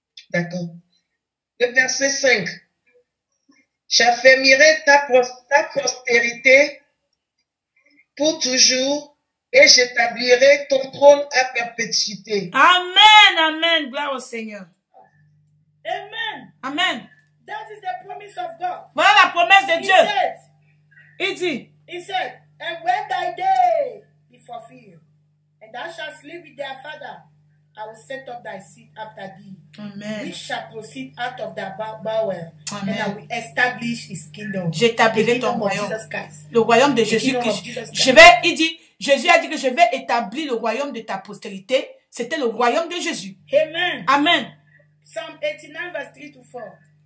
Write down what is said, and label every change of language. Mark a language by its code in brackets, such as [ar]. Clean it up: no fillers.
[fr] D'accord. Le verset 5. J'affermirai ta postérité pour toujours. Et j'établirai ton trône à perpétuité. Amen, amen. Gloire au Seigneur. Amen. Amen. [en] That is the promise of God. [fr] Voilà la promesse de [en] he [fr] Dieu. [en] Said, [fr] il dit. [en] He said, and when thy day be fulfilled, and thou shalt sleep with thy father. I will set up thy seed after thee. Amen. Which shall proceed out of thy bowel. Amen. And I will establish his kingdom. [fr] J'établirai ton royaume. Le royaume de Jésus-Christ. Je vais, il dit, Jésus a dit que je vais établir le royaume de ta postérité. C'était le royaume de Jésus. Amen. Amen. [en] Psalm 89, verse 3 to 4.